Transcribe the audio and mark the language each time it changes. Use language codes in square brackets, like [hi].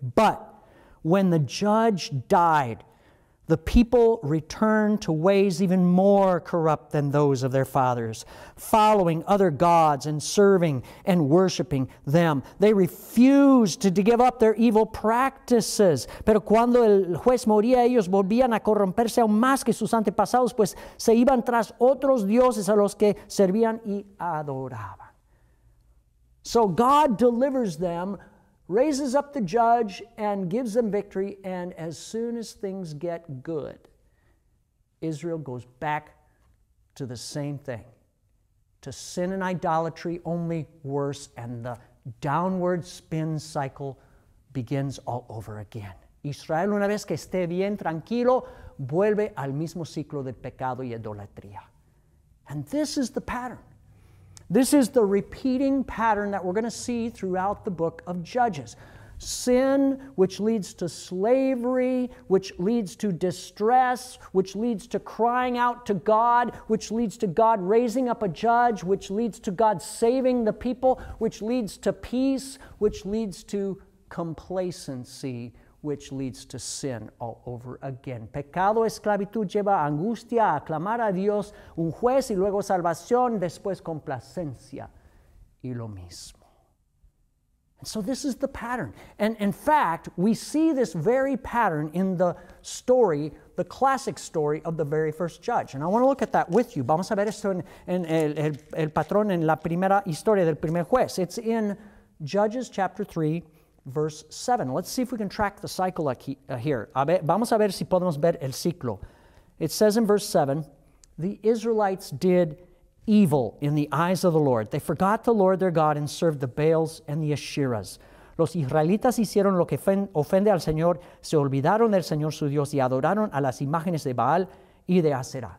[en] But when the judge died, the people returned to ways even more corrupt than those of their fathers, following other gods and serving and worshiping them. They refused to give up their evil practices. [es] Pero cuando el juez moría, ellos volvían a corromperse aún más que sus antepasados, pues se iban tras otros dioses a los que servían y adoraban. [en] So God delivers them, raises up the judge, and gives them victory. And as soon as things get good, Israel goes back to the same thing, to sin and idolatry, only worse, and the downward spin cycle begins all over again. [es] Israel, una vez que esté bien, tranquilo, vuelve al mismo ciclo de pecado y idolatría. [en] And this is the pattern. This is the repeating pattern that we're going to see throughout the book of Judges. Sin, which leads to slavery, which leads to distress, which leads to crying out to God, which leads to God raising up a judge, which leads to God saving the people, which leads to peace, which leads to complacency, which leads to sin all over again. [es] Pecado, esclavitud, lleva angustia, a clamar a Dios, un juez, y luego salvación, después complacencia, y lo mismo. [en] And so this is the pattern. And in fact, we see this very pattern in the story, the classic story of the very first judge. And I want to look at that with you. [es] Vamos a ver esto en el patrón en la primera historia del primer juez. [en] It's in Judges chapter 3, verse 7. Let's see if we can track the cycle here. [es] Vamos a ver si podemos ver el ciclo. [en] It says in verse 7, the Israelites did evil in the eyes of the Lord. They forgot the Lord their God and served the Baals and the Asherahs. [es] Los israelitas hicieron lo que ofende al Señor. Se olvidaron del Señor su Dios y adoraron a las imágenes de Baal y de Asherah.